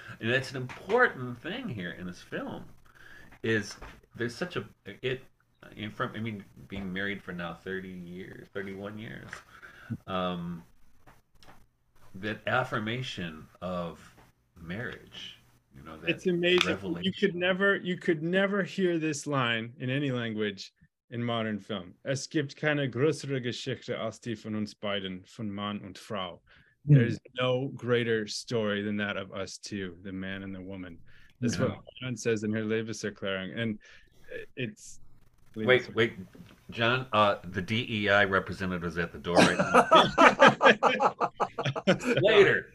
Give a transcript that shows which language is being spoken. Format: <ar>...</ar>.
<en>And that's an important thing here in this film, is there's such a, it, in front, I mean, being married for now 30 years, 31 years, that affirmation of marriage, you know, that it's amazing. Revelation. You could never hear this line in any language in modern film.</en> <de>Es gibt keine größere Geschichte als die von uns beiden, von Mann und Frau.</de> <en>There's no greater story than that of us two, the man and the woman. That's what John says in her Lebenserklärung. And it's... Wait, John, the DEI representative is at the door right now.</en>